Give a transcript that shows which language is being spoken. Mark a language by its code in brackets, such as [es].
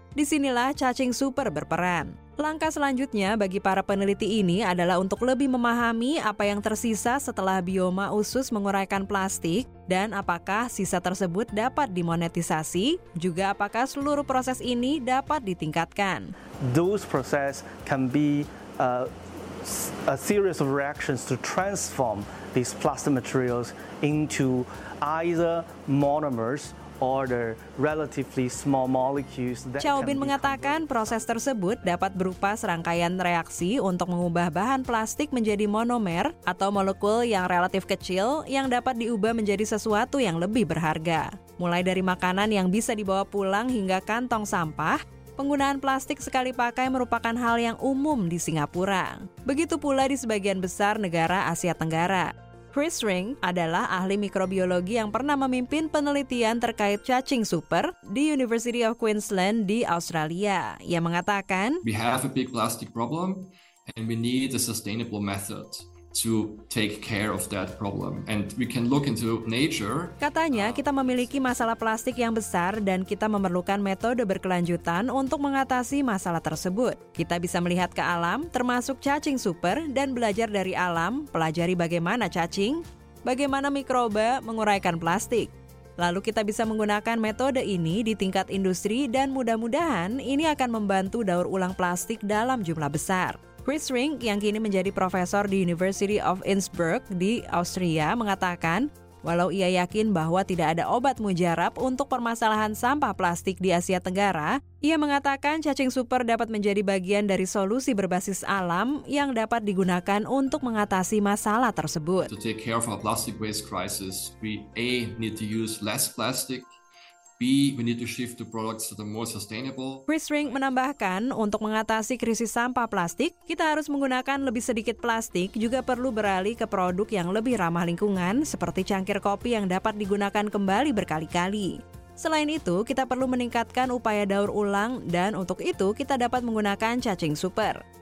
[id] Disinilah cacing super berperan. Langkah selanjutnya bagi para peneliti ini adalah untuk lebih memahami apa yang tersisa setelah bioma usus menguraikan plastik dan apakah sisa tersebut dapat dimonetisasi, juga apakah seluruh proses ini dapat ditingkatkan. [en] Those process can be a series of reactions to transform these plastic materials into either monomers order relatively small molecules that [id] Chao Bin mengatakan proses tersebut dapat berupa serangkaian reaksi untuk mengubah bahan plastik menjadi monomer atau molekul yang relatif kecil yang dapat diubah menjadi sesuatu yang lebih berharga. Mulai dari makanan yang bisa dibawa pulang hingga kantong sampah, penggunaan plastik sekali pakai merupakan hal yang umum di Singapura. Begitu pula di sebagian besar negara Asia Tenggara. Chris Ring adalah ahli mikrobiologi yang pernah memimpin penelitian terkait cacing super di University of Queensland di Australia. Ia mengatakan, [en] "We have a big plastic problem and we need a sustainable method to take care of that problem. And we can look into nature." [id] Katanya, kita memiliki masalah plastik yang besar dan kita memerlukan metode berkelanjutan untuk mengatasi masalah tersebut. Kita bisa melihat ke alam, termasuk cacing super, dan belajar dari alam, pelajari bagaimana cacing, bagaimana mikroba menguraikan plastik. Lalu kita bisa menggunakan metode ini di tingkat industri dan mudah-mudahan ini akan membantu daur ulang plastik dalam jumlah besar. Chris Ring, yang kini menjadi profesor di University of Innsbruck di Austria, mengatakan, walau ia yakin bahwa tidak ada obat mujarab untuk permasalahan sampah plastik di Asia Tenggara, ia mengatakan cacing super dapat menjadi bagian dari solusi berbasis alam yang dapat digunakan untuk mengatasi masalah tersebut. [en] To take care of our plastic waste crisis, we A, need to use less plastic, B, we need to shift to products that are more sustainable. [id] Chris Ring menambahkan, untuk mengatasi krisis sampah plastik, kita harus menggunakan lebih sedikit plastik, juga perlu beralih ke produk yang lebih ramah lingkungan, seperti cangkir kopi yang dapat digunakan kembali berkali-kali. Selain itu, kita perlu meningkatkan upaya daur ulang, dan untuk itu kita dapat menggunakan cacing super.